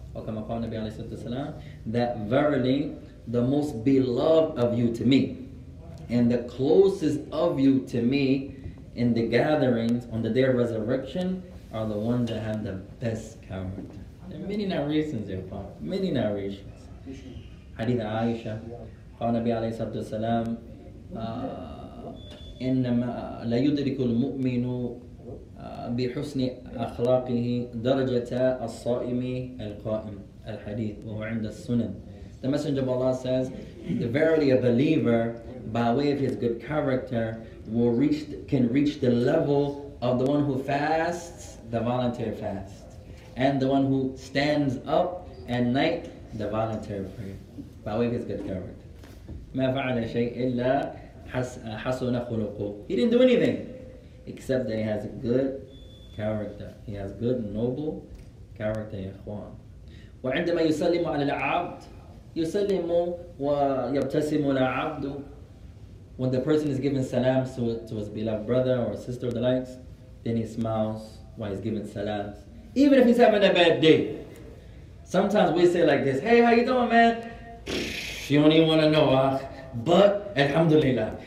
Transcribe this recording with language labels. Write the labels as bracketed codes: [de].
[ar] وَكَمَا قَالَ النَّبِيُّ عَلَيْهِ الصَّلَاةُ وَالسَّلَامُ [en] that verily the most beloved of you to me and the closest of you to me in the gatherings on the day of resurrection are the ones that have the best character. There are many narrations, Ya Qur'an, many narrations. [ar] Hadith Aisha, قَالَ النَّبِيُّ عَلَيْهِ الصَّلَاةُ وَالسَّلَامُ إِنَّمَا لَيُدْرِكُ الْمُؤْمِنُ بحسن أخلاقه درجة الصائم القائم. الحديث وهو عند السنن. [en] The Messenger of Allah says, verily a believer by way of his good character will reach, can reach the level of the one who fasts the voluntary fast, and the one who stands up at night the voluntary prayer by way of his good character. [ar] ما فعل شيء إلا حسن خلقه. [en] He didn't do anything except that he has a good character. He has good, noble character, ya Ikhwan. [ar] وعندما يسلم على العبد يسلم ويبتسم العبد. [en] When the person is giving salams to his beloved brother or sister or the likes, then he smiles while he's giving salams. Even if he's having a bad day, Sometimes we say like this, hey, how you doing, man? You don't even want to know, but alhamdulillah.